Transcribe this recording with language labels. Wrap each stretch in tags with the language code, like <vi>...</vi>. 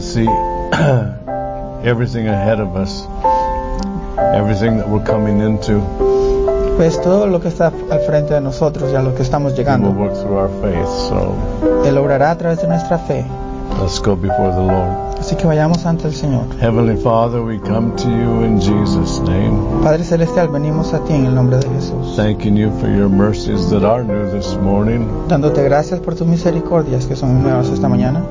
<en>See, everything ahead of us, everything that we're coming into,</en> <es>pues todo lo que está al frente de nosotros y a lo que estamos llegando,</es> <en>will work through our faith, so</en> <es>Él obrará a través de nuestra fe.</es> <en>Let's go before the Lord.</en> <es>Así que vayamos ante el Señor.</es> <en>Heavenly Father, we come to you in Jesus' name.</en> <es>Padre celestial, venimos a ti en el nombre de Jesús.</es> <en>Thanking you for your mercies that are new this morning.</en> <es>Dándote gracias por tus misericordias que son nuevas esta mañana.</es>